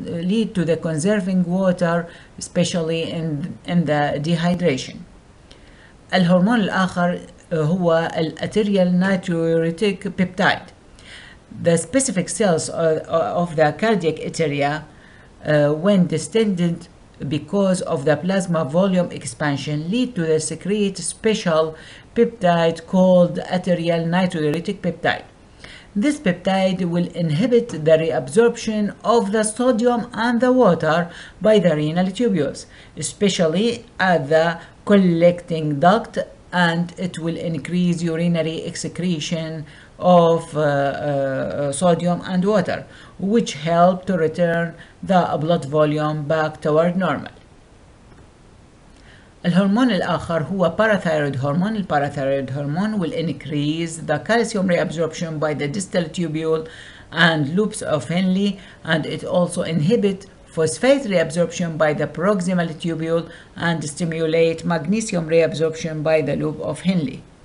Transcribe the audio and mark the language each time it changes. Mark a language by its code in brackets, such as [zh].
[en] Lead to the conserving water, especially in the dehydration. [ar] الهرمون الآخر هو الـ arterial natriuretic peptide. [en] The specific cells of the cardiac arteria, when distended because of the plasma volume expansion, lead to the secrete special peptide called arterial natriuretic peptide. This peptide will inhibit the reabsorption of the sodium and the water by the renal tubules, especially at the collecting duct, and it will increase urinary excretion of sodium and water, which help to return the blood volume back toward normal. [ar] الهرمون الآخر هو parathyroid hormone. [en] The parathyroid hormone will increase the calcium reabsorption by the distal tubule and loops of Henle, and it also inhibits phosphate reabsorption by the proximal tubule and stimulate magnesium reabsorption by the loop of Henle.